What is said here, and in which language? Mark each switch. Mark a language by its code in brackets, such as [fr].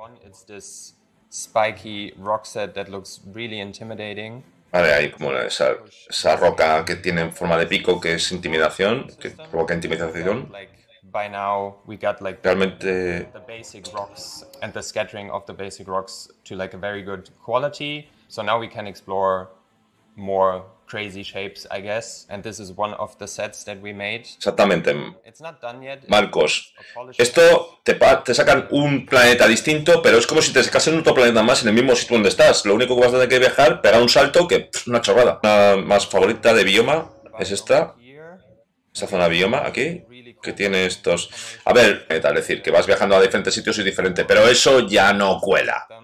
[en] It's this spiky rock set that looks really intimidating. [es] Vale, ahí como esa roca que tiene forma de pico que es intimidación, que provoca intimidación. [en] By now we got like [es] realmente [en] the basic rocks and the scattering of the basic rocks to like a very good quality. So now we can explore more crazy shapes, I guess. And this is one of the sets that we made. [es] Exactamente. [en] It's not done yet. [es] Marcos, esto te sacan un planeta distinto, pero es como si te sacasen otro planeta más en el mismo sitio donde estás. Lo único que vas a tener que viajar, pegar un salto, que es una chorrada. Una más favorita de bioma es esta. Esta zona de bioma, aquí, que tiene estos. A ver, es decir, que vas viajando a diferentes sitios y es diferente, pero eso ya no cuela.